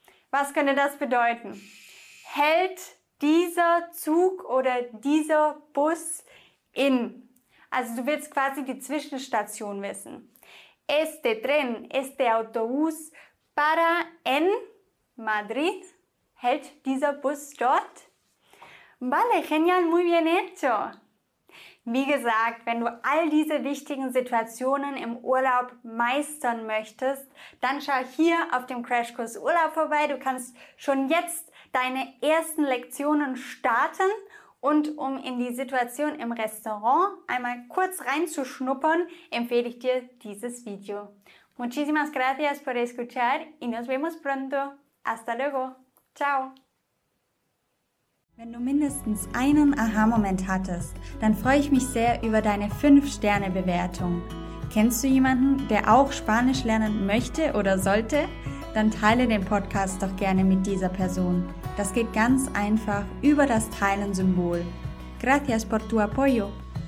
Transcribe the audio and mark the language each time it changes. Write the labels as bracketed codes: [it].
[de] Was könnte das bedeuten? Hält dieser Zug oder dieser Bus in? Also du willst quasi die Zwischenstation wissen. [es] Este tren, este autobús, para en Madrid. [de] Hält dieser Bus dort? [es] Vale, genial, muy bien hecho. [de] Wie gesagt, wenn du all diese wichtigen Situationen im Urlaub meistern möchtest, dann schau hier auf dem Crashkurs Urlaub vorbei. Du kannst schon jetzt deine ersten Lektionen starten. Und um in die Situation im Restaurant einmal kurz reinzuschnuppern, empfehle ich dir dieses Video. [es] Muchísimas gracias por escuchar y nos vemos pronto. Hasta luego. Ciao. [de] Wenn du mindestens einen Aha-Moment hattest, dann freue ich mich sehr über deine 5-Sterne-Bewertung. Kennst du jemanden, der auch Spanisch lernen möchte oder sollte? Dann teile den Podcast doch gerne mit dieser Person. Das geht ganz einfach über das Teilen-Symbol. [es] Gracias por tu apoyo.